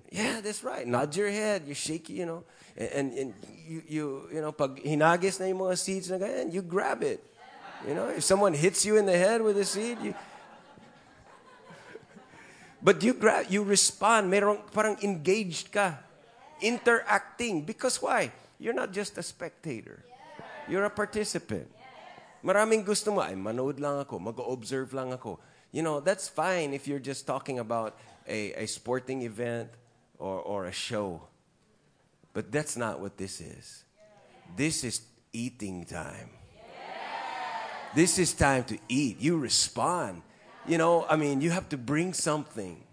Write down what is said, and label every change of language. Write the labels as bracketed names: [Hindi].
[English] Yeah, that's right. Nod your head. You're shaky, you know. And you know, [Filipino] pag hinagis na yung mga seeds na ganyan, [English] you grab it. You know, if someone hits you in the head with a seed, you... But you respond. [Filipino] Merong parang engaged ka. [English] Interacting. Because why? You're not just a spectator. You're a participant. [Filipino] Maraming gusto mo, ay manood lang ako, mag-observe lang ako. [English] You know, that's fine if you're just talking about a sporting event or a show. But that's not what this is. This is eating time. This is time to eat. You respond. You know, I mean, you have to bring something.